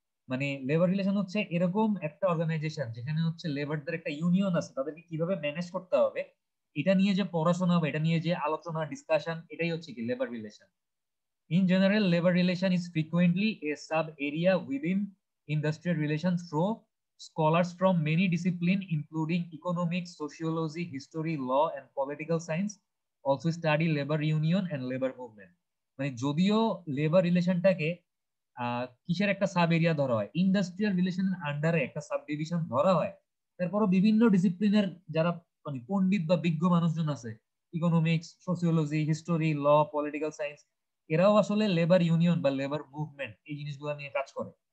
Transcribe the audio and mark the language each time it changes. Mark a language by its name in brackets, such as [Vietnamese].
[Bangla] মানে labour relation হচ্ছে এরকম একটা অর্গানাইজেশন যেখানে হচ্ছে লেবারদের একটা ইউনিয়ন আছে, তাদেরকে কিভাবে ম্যানেজ করতে হবে এটা নিয়ে যে পড়াশোনা বা এটা নিয়ে যে আলোচনা ডিসকাশন, এটাই হচ্ছে কি labour relation. [English] In general labour relation is frequently a sub area within industrial relation through scholars from many disciplines, including economics, sociology, history, law, and political science, also study labor union and labor movement. [Bangla] মানে যদিও labour রিলেশনটাকে কিসের একটা sub area ধরা হয়, industrial relation আন্ডারে একটা sub division ধরা হয়, তারপরও বিভিন্ন ডিসিপ্লিনের যারা মানে পণ্ডিত বা বিজ্ঞ মানুষজন আছে, ইকোনমিক্স, সোশিওলজি, হিস্টোরি, ল, পলিটিক্যাল সায়েন্স, এরাও আসলে লেবার ইউনিয়ন বা লেবার মুভমেন্ট এই জিনিসগুলো নিয়ে কাজ করে।